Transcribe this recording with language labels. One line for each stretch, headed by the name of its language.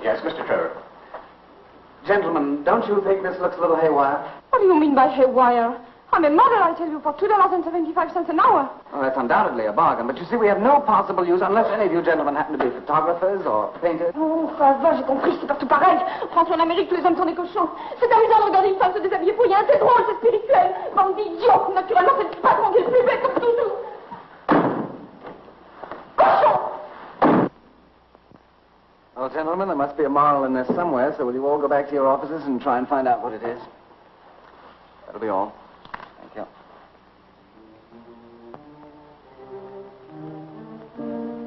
English: Yes, Mr. Trevor. Gentlemen, don't you think this looks a little haywire? What do you mean by haywire? I'm a model, I tell you, for $2.75 an hour. Well, that's undoubtedly a bargain. But you see, we have no possible use unless any of you gentlemen happen to be photographers or painters.
French: Oh, faveur, j'ai compris, c'est partout pareil. France, en Amérique, tous les hommes sont des cochons. C'est amusant de regarder une femme se déshabiller pour rien. C'est drôle, c'est spirituel. Bande d'idiots, naturellement, c'est le patron qui est le plus bête comme toujours.
English: Well, gentlemen, there must be a moral in this somewhere, so will you all go back to your offices and try and find out what it is? That'll be all. Thank you.